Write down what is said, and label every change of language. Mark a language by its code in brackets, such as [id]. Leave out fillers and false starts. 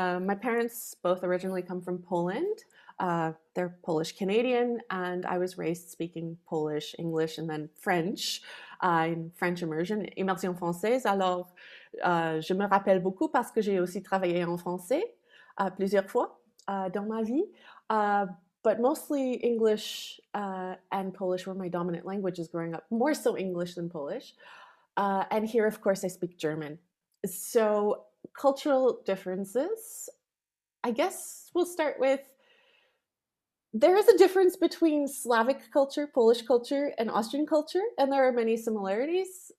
[en] My parents both originally come from Poland. They're Polish Canadian, and I was raised speaking Polish, English, and then French. In French immersion, [fr] immersion française. Alors, je me rappelle beaucoup parce que j'ai aussi travaillé en français plusieurs fois dans ma vie. [en] But mostly English and Polish were my dominant languages growing up, more so English than Polish. And here, of course, I speak German. So cultural differences, I guess we'll start with, there is a difference between Slavic culture, Polish culture, and Austrian culture, and there are many similarities.